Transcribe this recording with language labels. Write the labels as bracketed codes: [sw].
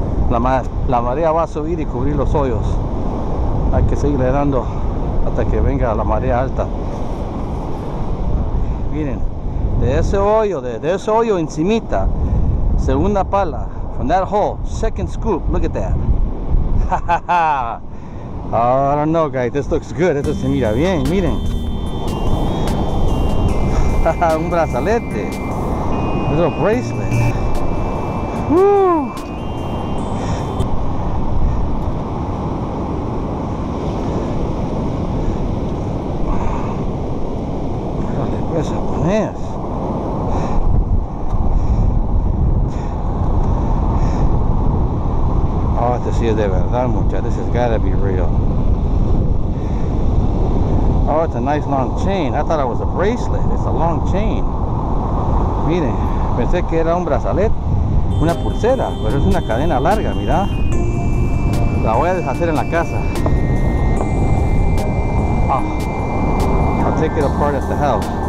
[es] La marea va a subir y cubrir los hoyos. Hay que seguirle dando hasta que venga la marea alta. Miren. De ese hoyo encimita, segunda pala, [en] from that hole, second scoop, look at that. Oh, I don't know, guys, this looks good, [es] esto se mira bien, miren. Un brazalete, [en] a little bracelet. Woo. [es] Dale, pues, japonés. Si es de verdad, muchachos, [en] this has got to be real. Oh, it's a nice long chain. I thought it was a bracelet. It's a long chain. [es] Miren, pensé que era un brazalete, una pulsera, pero es una cadena larga, mira. La voy a deshacer en la casa. [en] Oh, I'll take it apart at the house.